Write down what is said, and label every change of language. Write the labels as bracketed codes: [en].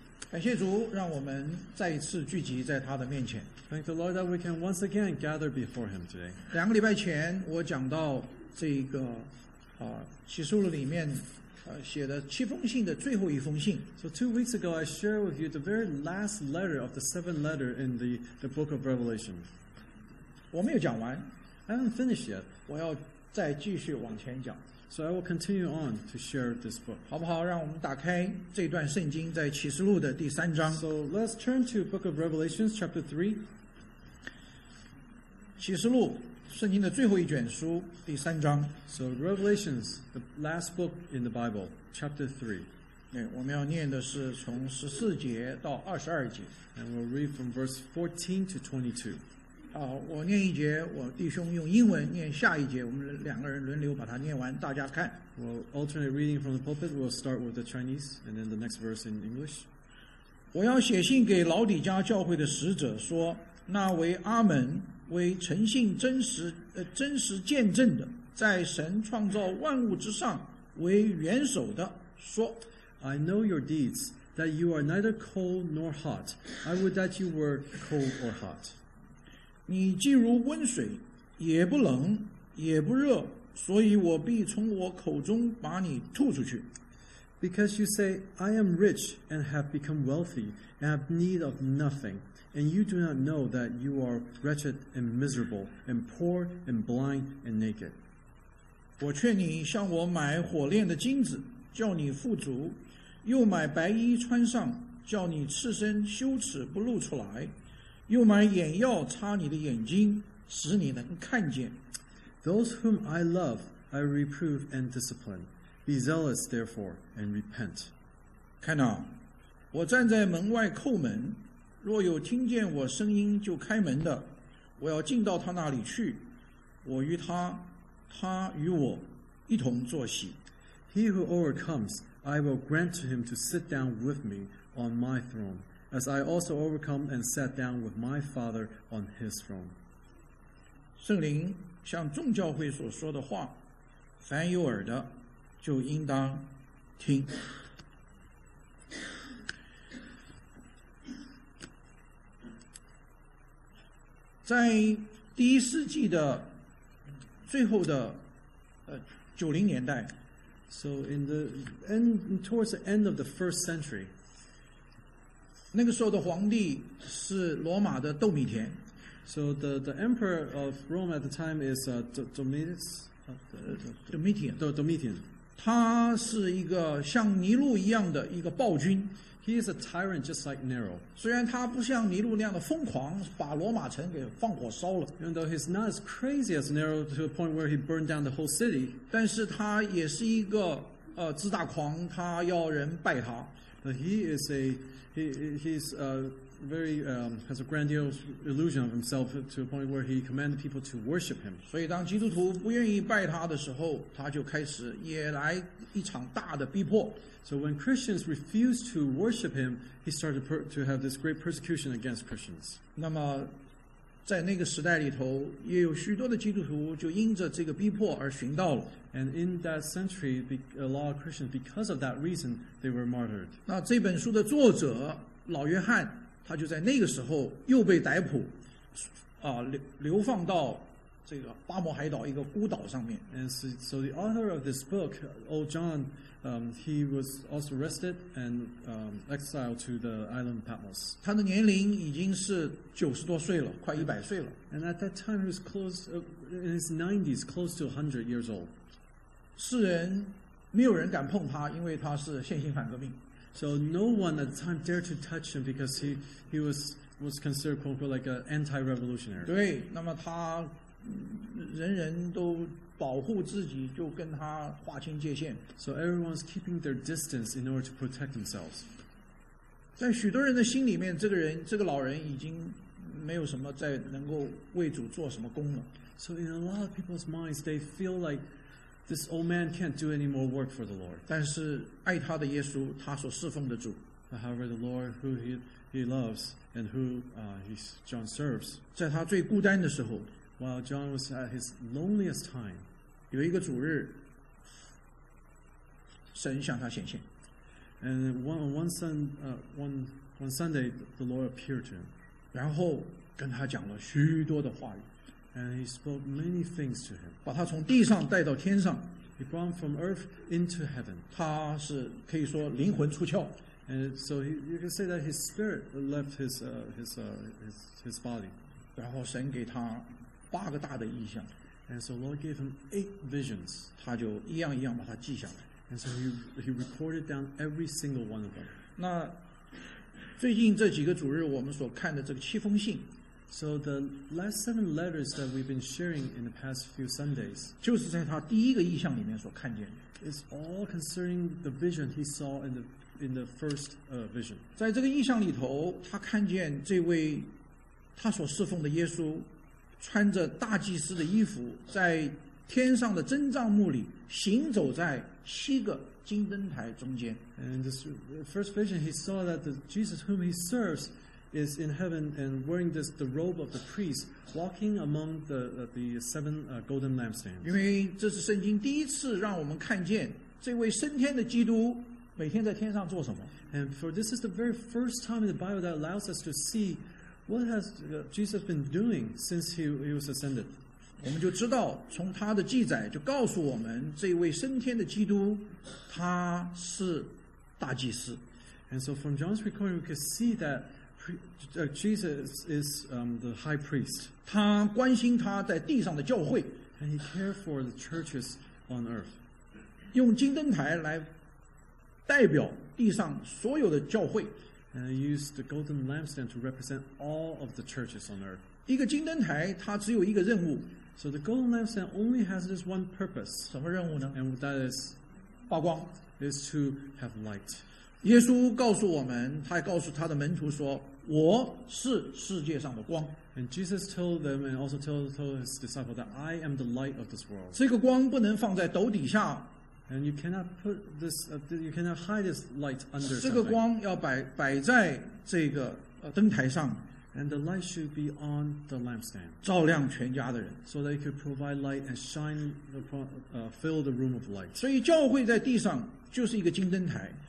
[zh] 感谢主，让我们再一次聚集在他的面前。 [en] Thank the Lord that we can once again gather before Him today. [zh] 两个礼拜前，我讲到这个启示录里面写的七封信的最后一封信。 [en] So 2 weeks ago, I shared with you the very last letter of the 7 letters in the book of Revelation. [zh] 我没有讲完。 [en] I haven't finished yet. [zh] 我要再继续往前讲。 [en] So I will continue on to share this book. [zh] 好不好？让我们打开这段圣经，在启示录的第三章。 [en] So let's turn to Book of Revelation, chapter 3. [zh] 启示录，圣经的最后一卷书，第三章。 [en] So Revelations, the last book in the Bible, chapter 3. [zh] 我们要念的是从14节到22节。 [en] And we'll read from verse 14 to 22. [zh] 我念一节，我弟兄用英文念下一节，我们两个人轮流把它念完，大家看。 [en] We'll alternate reading from the pulpit. We'll start with the Chinese and then the next verse in English. [zh] 我要写信给老底家教会的使者说，那为阿门，为诚信真实见证的，在神创造万物之上为元首的说。 [en] I know your deeds, that you are neither cold nor hot. I would that you were cold or hot. [zh] 你既如温水，也不冷，也不热，所以我必从我口中把你吐出去。 [en] Because you say, I am rich and have become wealthy and have need of nothing, and you do not know that you are wretched and miserable and poor and blind and naked. [zh] 我劝你向我买火炼的金子，叫你富足，又买白衣穿上，叫你赤身羞耻不露出来。又买眼药擦你的眼睛，使你能看见。 [en] Those whom I love, I reprove and discipline. Be zealous, therefore, and repent. [zh] 看啊，我站在门外叩门，若有听见我声音就开门的，我要进到他那里去，我与他，他与我一同坐席。 [en] He who overcomes, I will grant to him to sit down with me on my throne. As I also overcome and sat down with my Father on his throne. [zh] 圣灵像众教会所说的话，凡有耳的就应当听。在第一世纪的最后的90年代， [en] So in the end, towards the end of the first century, [zh] 那个时候的皇帝是罗马的窦米田。 [en] So the emperor of Rome at the time is Domitian. [zh] 他是一个像尼禄一样的一个暴君。 [en] He is a tyrant just like Nero. [zh] 虽然他不像尼禄那样的疯狂，把罗马城给放火烧了。 [en] Even though he's not as crazy as Nero to a point where he burned down the whole city. [zh] 但是他也是一个自大狂，他要人拜他。 [en] But he has a grandiose illusion of himself to a point where he commanded people to worship him. [zh] 所以当基督徒不愿意拜他的时候，他就开始也来一场大的逼迫。 [en] So when Christians refused to worship him, he started to have this great persecution against Christians. [zh] 那么在那个时代里头，也有许多的基督徒就因着这个逼迫而殉道了。 [en] And in that century, a lot of Christians, because of that reason, they were martyred. [zh] 那这本书的作者老约翰，他就在那个时候又被逮捕，流放到这个巴摩海岛一个孤岛上面。 [en] And so the author of this book, Old John, he was also arrested and exiled to the island Patmos. [zh] 他的年龄已经是90多岁了，快100岁了。 [en] And at that time, he was close in his 90s, close to 100 years old. [zh] 世人没有人敢碰他，因为他是宪兵反革命。 [en] So no one at the time dared to touch him because he was considered quote unquote like an anti-revolutionary. [zh] 对，那么他人人都保护自己，就跟他划清界限。 [en] So everyone's keeping their distance in order to protect themselves. [zh] 在许多人的心里面，这个老人已经没有什么再能够为主做什么功了。 [en] So in a lot of people's minds, they feel likeThis old man can't do any more work for the Lord. [zh] 但是爱他的耶稣，他所侍奉的主。 [en] However, the Lord who he loves and who John serves. [zh] 在他最孤单的时候 [en] ，while John was at his loneliest time, [zh] 有一个主日，神向他显现。 [en] And one Sunday, the Lord appeared to him. [zh] 然后跟他讲了许多的话语。 [en] And he spoke many things to him. [zh] 把他从地上带到天上。 [en] He brought him from earth into heaven. [zh] 他是可以说灵魂出窍。 [en] And so you can say that his spirit left his body. [zh] 然后神给他八个大的意象。 [en] And so Lord gave him eight visions. [zh] 他就一样一样把它记下来。 [en] And so he recorded down every single one of them. [zh] 那最近这几个主日我们所看的这个七封信。 [en] So the last seven letters that we've been sharing in the past few Sundays. [zh] 就是在他第一个意象里面所看见的。 [en] It's all concerning the vision he saw in the first vision. [zh] 在这个意象里头他看见这位他所侍奉的耶稣穿着大祭司的衣服在天上的真帐幕里行走在七个金灯台中间。 [en] And this first vision, he saw that the Jesus whom he serves is in heaven and wearing this, the robe of the priest, walking among the seven golden lampstands. [zh] 因为这是圣经第一次让我们看见这位升天的基督每天在天上做什么。 [en] And for this is the very first time in the Bible that allows us to see what has Jesus been doing since he was ascended. [zh] 我们就知道从他的记载就告诉我们这位升天的基督他是大祭司。 [en] And so from John's recording we can see that Jesus is the high priest. [zh] 他关心他在地上的教会。 [en] And he cared for the churches on earth. [zh] 用金灯台来代表地上所有的教会。 [en] And he used the golden lampstand to represent all of the churches on earth. [zh] 一个金灯台它只有一个任务。 [en] So the golden lampstand only has this one purpose. [zh] 什么任务呢? [en] And that is, [zh] 发光, [en] is to have light. [zh] 耶稣告诉我们, 他告诉他的门徒说, 我是世界上的光。 [en] And Jesus told them and also told his disciples that I am the light of this world. [zh] 这个光不能放在斗底下。 [en] And you cannot put this, you cannot hide this light under something. [zh] 这个光要摆在这个灯台上。 [en] And the light should be on the lampstand. [zh] 照亮全家的人。 [en] So that it could provide light and shine, fill the room of light. [zh] 所以教会在地上就是一个金灯台。